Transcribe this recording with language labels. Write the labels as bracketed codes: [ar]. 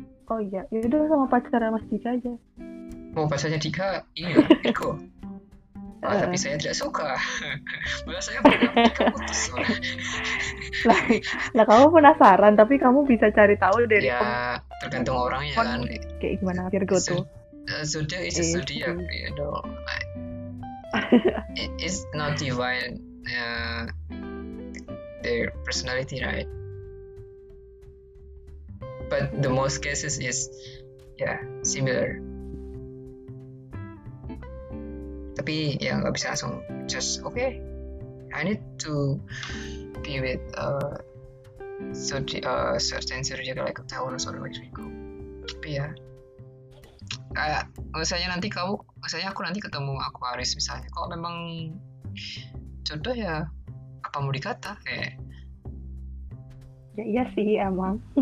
[id] Oh iya, yaudah sama pacarnya Mas Dika aja. Mau pacarnya Dika, iya Virgo. Tapi saya tidak suka. Malah saya pernah Dika putus. Lah kamu penasaran, tapi kamu bisa cari tahu dari. Ya tergantung orangnya kan. Kayak gimana Virgo tuh? [en] Zodiac is a zodiac, you know. It's not divine their personality, right? But the most cases is yeah, similar. [id] Tapi ya gak bisa langsung [en] just okay. I need to be with certain zodiac like Taurus or Virgo. [id] Tapi ya misalnya nanti kamu, misalnya aku nanti ketemu Aquarius misalnya, kok memang jodoh ya, apa mau dikata? Ya iya sih emang.